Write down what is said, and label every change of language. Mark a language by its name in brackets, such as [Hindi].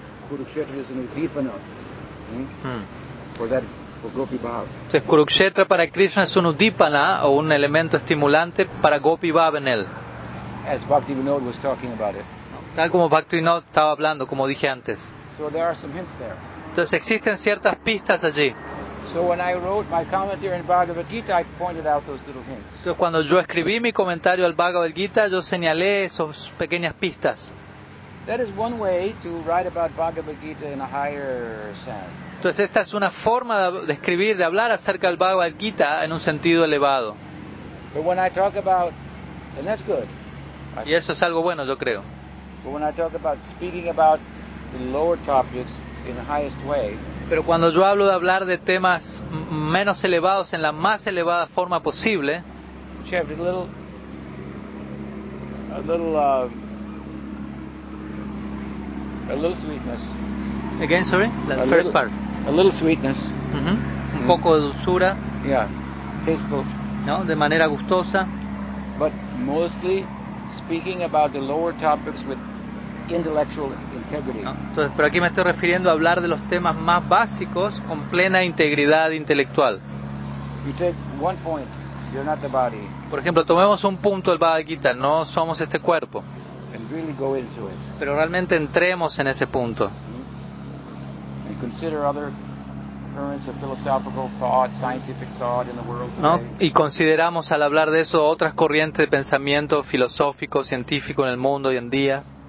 [Spanish] Kurukshetra es un udipana. [English] For Gopi Bhava. [Spanish] Entonces Kurukshetra para Krishna es un udipana o un elemento estimulante para Gopi Bhava en él. [English] As Bhaktivinoda was talking about it. [Spanish] Tal como Bhaktivinoda estaba hablando, como dije antes. [English] So there are some hints there. [Spanish] Entonces existen ciertas pistas allí. [English] So when I wrote my commentary in Bhagavad Gita, I pointed out those little hints. [Spanish] Entonces cuando yo escribí mi comentario al Bhagavad Gita, yo señalé esas pequeñas pistas. [English] That is one way to write about Bhagavad Gita in a higher sense. [Spanish] Entonces esta es una forma de escribir, de hablar acerca del Bhagavad Gita en un sentido elevado. [English] But when I talk about, and that's good. [Spanish] Y eso es algo bueno, yo creo. [English] But when I talk about speaking about the lower topics in the highest way. [Spanish] Pero cuando yo hablo de hablar de temas menos elevados en la más elevada forma posible, [English] which have a little sweetness. Again, sorry, the first part. A little sweetness. [Spanish] Mm-hmm. Un poco de dulzura. [English] Yeah, tasteful. [Spanish] No, de manera gustosa. [English] But mostly speaking about the lower topics with intellectual integrity. [Spanish] No. Entonces, pero aquí me estoy refiriendo a hablar de los temas más básicos con plena integridad intelectual. [English] You take one point, you're not the body. [Spanish] Por ejemplo, tomemos un punto del Bhagavad Gita, no somos este cuerpo. [English] And really go into it. [Spanish] Pero realmente entremos en ese punto. [English] Consider other currents of philosophical thought, scientific thought in the world today. [Spanish] No, y consideramos al hablar de eso otras corrientes de pensamiento filosófico, científico en el mundo hoy en día.